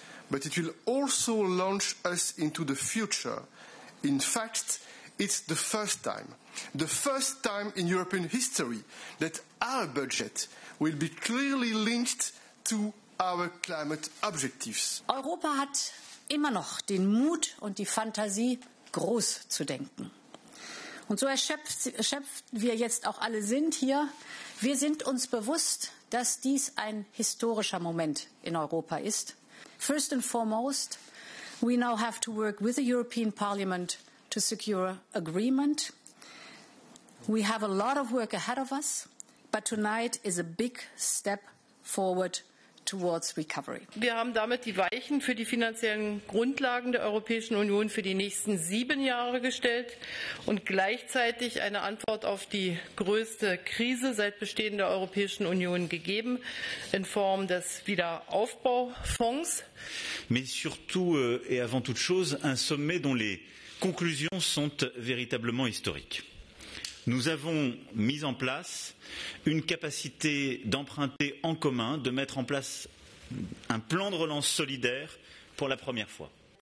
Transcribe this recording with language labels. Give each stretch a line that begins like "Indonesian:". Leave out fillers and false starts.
English: But it will also launch us into the future. In fact, it's the first time in European history that our budget will be clearly linked to our climate objectives.
German: Europa hat immer noch den Mut und die Fantasie, groß zu denken. Und so erschöpft wir jetzt auch alle sind hier, wir sind uns bewusst, dass dies ein historischer Moment in Europa ist.
English: First and foremost, we now have to work with the European Parliament to secure agreement. We have a lot of work ahead of us, but tonight is a big step forward towards recovery.
German: Wir haben damit die Weichen für die finanziellen Grundlagen der Europäischen Union für die nächsten 7 Jahre gestellt und gleichzeitig eine Antwort auf die größte Krise seit Bestehen der Europäischen Union gegeben in Form des Wiederaufbaufonds.
French: Mais surtout et avant toute chose, un sommet dont les conclusions sont véritablement historiques. Nous avons mis en place une capacité d'emprunter en commun, de mettre en place un plan de relance solidaire pour la première fois.